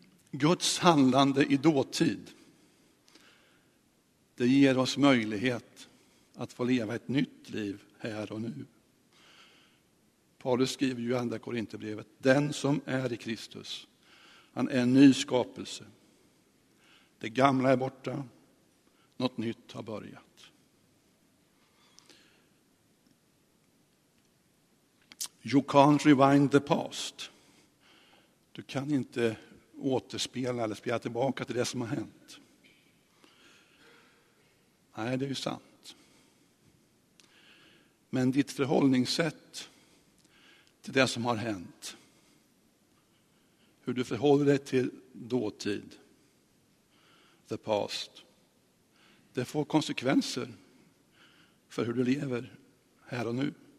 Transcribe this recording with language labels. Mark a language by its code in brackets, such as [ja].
[sv] Guds handlande i dåtid, det ger oss möjlighet att få leva ett nytt liv här och nu. Paulus skriver ju i andra Korinthierbrevet: den som är i Kristus, han är en ny skapelse. Det gamla är borta, något nytt har börjat. [en] You can't rewind the past. [sv] Du kan inte återspela eller spela tillbaka till det som har hänt. Nej, det är ju sant. Men ditt förhållningssätt till det som har hänt, hur du förhåller dig till dåtid, [en] the past, [sv] det får konsekvenser för hur du lever här och nu.